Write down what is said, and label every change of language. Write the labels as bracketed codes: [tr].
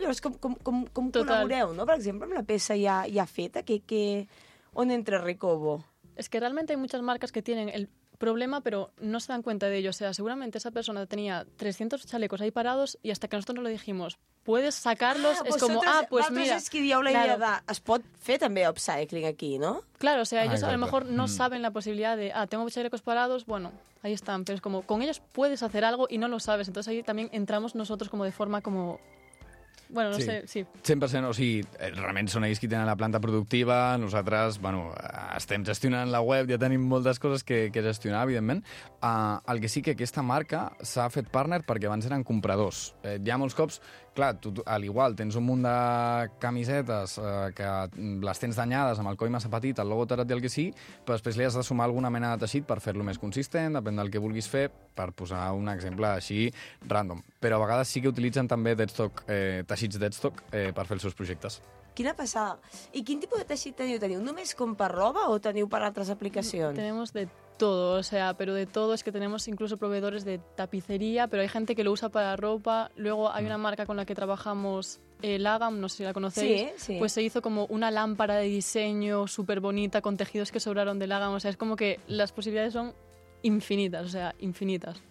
[ca] Llavors, com col·laboreu, no? Per exemple, amb la peça ja feta, que on entra Recobo? És que realment hi ha moltes marques que tenen el problema, però [es] no se dan cuenta d'ello. O sea, segurament esa persona tenia 300 chalecos ahí parados i hasta que nosotros no lo dijimos, ¿puedes sacarlos? Es como, pues mira. [ca] Es que dieu la idea de, es pot fer també upcycling aquí, no? [es] Claro, o sea, ellos a lo mejor no saben la posibilidad de, tengo chalecos parados, bueno, ahí están. Pero es como, con ellos puedes hacer algo y no lo sabes. Entonces ahí también entramos nosotros como de forma como... Bueno, no sé, sí. [ca] 100%, o sigui, realment són ells qui tenen la planta productiva, nosaltres, bueno, estem gestionant la web, ja tenim moltes coses que gestionar, evidentment. El que sí que aquesta marca s'ha fet partner perquè abans eren compradors. Ja molts cops, clar, tu, a l'igual, tens un munt de camisetes que les tens danyades amb el coll massa petit, el logo tarat i el que sí, però després li has de sumar alguna mena de teixit per fer-lo més consistent, depèn del que vulguis fer, per posar un exemple així, random. Però a vegades sí que utilitzen també deadstock, teixits deadstock per fer els seus projectes. Quina passada. I quin tipus de teixit teniu? Teniu només com per roba o teniu per altres aplicacions? [es] Tenemos de todo, o sea, pero de todo. Es que tenemos incluso proveedores de tapicería, pero hay gente que lo usa para ropa. Luego hay una marca con la que trabajamos, Lagam, no sé si la conocéis. Sí, sí. Pues se hizo como una lámpara de diseño súper bonita con tejidos que sobraron de Lagam. O sea, es como que las posibilidades son infinitas, o sea, infinitas.